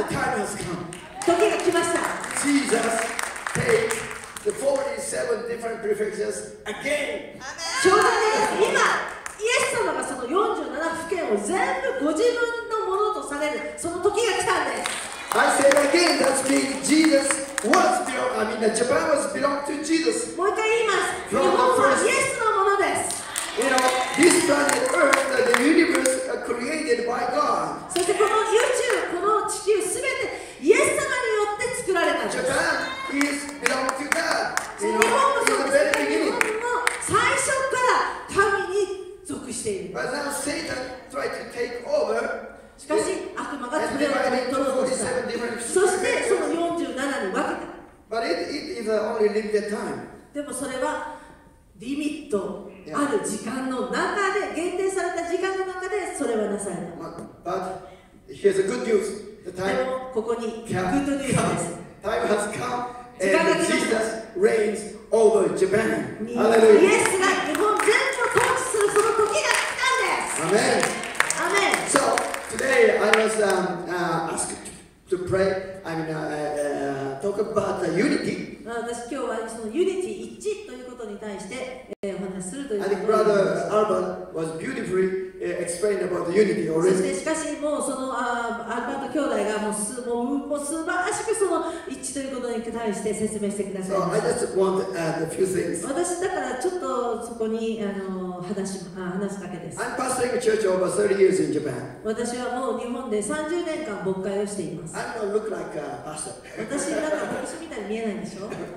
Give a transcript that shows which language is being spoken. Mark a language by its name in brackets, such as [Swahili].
[English] The time has come. [Japanese] 時が来ました。 [English] Jesus takes the 47 different prefectures again. [Japanese] ちょうどね今。イエス様がその47府県を全部ご自分のものとされるその時が来たんです。 [English] I said again, that's being Jesus was belong. I mean, the Japan was belong to Jesus. [Japanese] もう一回言います。日本はイエスのものです。 [English] You know, this planet Earth, the universe are created by God. [Japanese] そしてこの宇宙、この地球すべてイエス様によって作られたんです。 [English] Japan is belong to God. You know, [Japanese] 日本もそうです。日本も最初から神に。 [English] But now Satan tried to take over. [Japanese] しかし悪魔が取り上げたのです。そしてその47に分けた。 [English] But it is only limited time. [Japanese] でもそれはリミットある時間の中で限定された時間の中でそれはなされた。 [English] But here's a good news. The time [Japanese] ここにグッドニュースです。 [English] Time has come. And Jesus reigns over Japan. Hallelujah. Yes, God. [Japanese] 日本全部統治するその時が来たんです。 [English] Amen. Amen. So today I was asked to pray. I mean, talk about the unity. [Japanese] 私今日はそのユニティ一致ということに対してお話しするという。 [English] I think Brother Albert was beautifully explained about the unity already. [Japanese] そしてしかしもうそのアルバート兄弟がもう素晴らしくその一致ということに対して説明してくださいました。 [English] So I just want to add a few things. [Japanese] 私だからちょっとそこに話すだけです。 [English] I'm pastoring a church over 30 years in Japan. [Japanese] 私はもう日本で30年間牧会をしています。 [English] I don't look like a pastor. [Japanese] 私なんか牧師みたいに見えないでしょ。